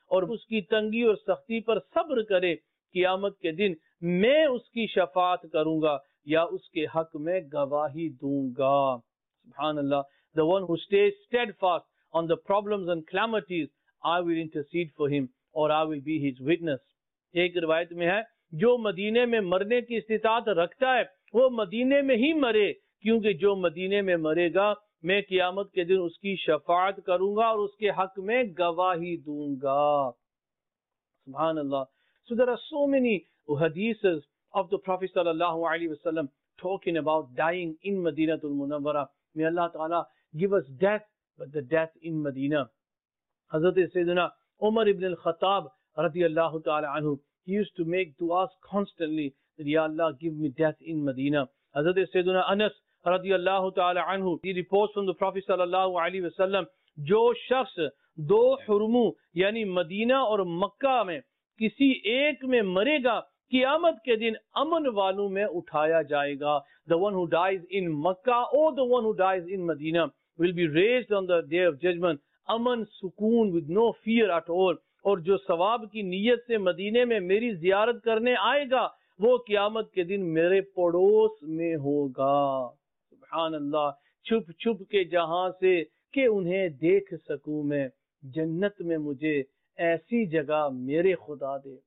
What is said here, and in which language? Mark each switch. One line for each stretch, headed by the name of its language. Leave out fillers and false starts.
Urdu: اور اس کی تنگی اور سختی پر صبر کرے، قیامت کے دن میں اس کی شفاعت کروں گا یا اس کے حق میں گواہی دوں گا. سبحان اللہ.
English: The one who stays steadfast on the problems and calamities, I will intercede for him or I will be his witness.
Urdu: ایک روایت میں ہے، جو مدینے میں مرنے کی استطاعت رکھتا ہے وہ مدینے میں ہی مرے، کیونکہ جو مدینے میں مرے گا میں قیامت کے دن اس کی شفاعت کروں گا اور اس کے حق میں گواہی دوں گا. سبحان اللہ.
English: So there are so many hadiths of the Prophet sallallahu alaihi wasallam talking about dying in Madinatul Munawwara. May Allah Ta'ala give us death, but the death in Medina. Hazrat Sayyidina Umar ibn al-Khattab radiyallahu ta'ala anhu, he used to make du'as constantly that Ya Allah give me death in Medina. Hazrat Sayyidina Anas radiyallahu ta'ala anhu, he reports from the Prophet sallallahu alaihi wasallam,
Urdu: جو شخص دو حرمو یعنی مدینہ اور مکہ میں کسی ایک میں مرے گا قیامت کے دن امن والوں میں اٹھایا جائے گا.
English: The one who dies in Makkah or the one who dies in Medina will be raised on the day of judgment
Urdu: امن سکون
English: with no fear at all.
Urdu: اور جو ثواب کی نیت سے مدینہ میں میری زیارت کرنے آئے گا وہ قیامت کے دن میرے پڑوس میں ہوگا. سبحان اللہ. چھپ چھپ کے جہاں سے کہ انہیں دیکھ سکوں میں، جنت میں مجھے ایسی جگہ میرے خدا دے.